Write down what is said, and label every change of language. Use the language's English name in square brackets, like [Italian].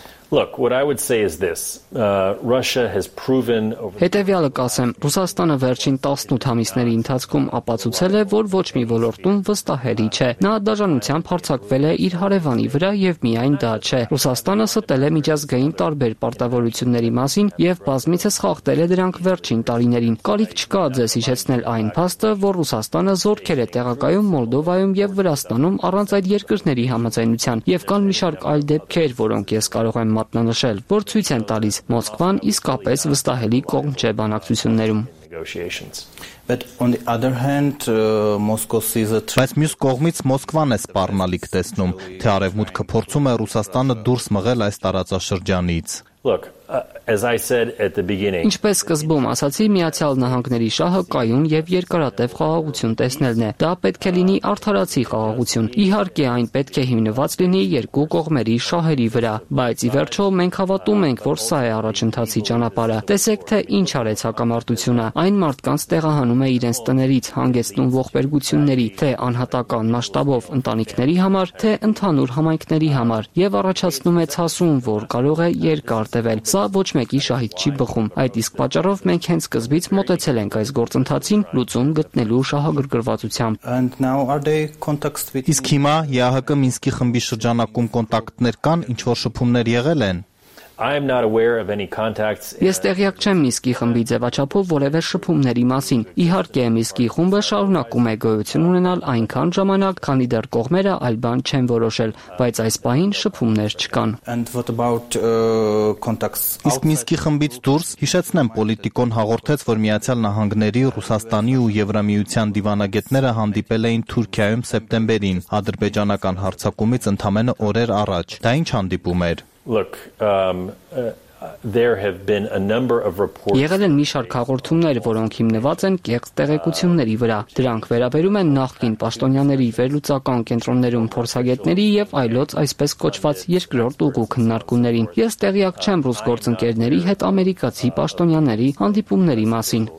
[English] Look, what I would say is this. Russia has proven over the [Armenian] Հետևյալը կասեմ, Ռուսաստանը վերջին 18 ամիսների ընթացքում ապացուցել է, որ ոչ մի ոլորտում վստահելի չէ։ Նա դաժանությամբ հարձակվել է իր հարևանի վրա եւ միայն դա չէ։ Ռուսաստանը ստել է միջազգային տարբեր պարտավորությունների մասին եւ բազմիցս խախտել է դրանք վերջին տարիներին։ Կարիք չկա ձեզ իջեցնել այն փաստը, որ Ռուսաստանը զորքեր է տեղակայում Մոլդովայում եւ Վրաստանում առանց այդ երկրների համաձայնության եւ կան մի շարք այլ դեպքեր, որոնք ես կարող են մատնանշել, որ ցույց են տալիս Մոսկվան իսկապես վստահելի կողմ չէ բանակցություններում։ [English] But on the other hand, Moscow sees it. [Armenian] Բայց մյուս կողմից Մոսկվան է սպառնալիք տեսնում, թե արևմուտքը փորձում է Ռուսաստանը դուրս մղել այս տարածաշրջանից։ [English] Look, as I said at the beginning. [Armenian] Ինչպես սկզբում ասացի, Միացյալ Նահանգների շահը կայուն եւ երկարատև խաղաղություն տեսնելն է։ Դա պետք է լինի արդարացի խաղաղություն։ Իհարկե, այն պետք է հիմնված լինի երկու կողմերի շահերի վրա, բայց ի վերջո մենք հավատում ենք, որ սա է առաջընթացի ճանապարհը։ Տեսեք, թե ինչ արեց հակամարտությունը։ Այն մարդկանց տեղահանում է իրենց տներից, հանգեցնում ողբերգությունների, թե անհատական մասշտաբով ընտանիքների համար, թե ընդհանուր համայնքների համար, եւ առաջացնում է ցասում, որ կարող է երկար տևել։ Սա ոչ մեկի շահիդ չի բխում։ Այդ իսկ պատճառով մենք հենց սկզբից մոտեցել ենք այս գործընթացին լուծում գտնելու շահագրգռվածությամբ։ Իսկ հիմա ԵԱՀԿ Մինսկի խմբի շրջանակում կոնտակտներ կան, ինչ որ շփումներ եղել են։ [English] I am not aware of any contacts. [Armenian] Ես տեղյակ չեմ Մինսկի խմբի ձևաչափով որևէ շփումների մասին։ Իհարկե, Մինսկի խումբը շարունակում է գոյություն ունենալ այնքան ժամանակ, քանի դեռ կողմերը այլ բան չեն որոշել, բայց այս պահին շփումներ չկան։ [English] And what about contacts? [Armenian] Իսկ Մինսկի խմբից դուրս, հիշեցնեմ, Պոլիտիկոն հաղորդեց, որ Միացյալ Նահանգների, Ռուսաստանի ու Եվրամիության դիվանագետները հանդիպել էին Թուրքիայում սեպտեմբերին, ադրբեջանական հարձակումից ընդամենը օրեր առաջ։ Դա ինչ հանդիպում էր։ [English] Look, there have been a number of reports. [Armenian] Եղել են մի շարք հաղորդումներ, որոնք հիմնված են կեղծ տեղեկությունների վրա։ Դրանք վերաբերում են նախկին պաշտոնյաների վերլուծական կենտրոններում փորձագետների եւ այլոց այսպես կոչված երկրորդ ուղու քննարկումներին։ Ես տեղյակ չեմ ռուս գործընկերների հետ ամերիկացի պաշտոնյաների հանդիպումների մասին։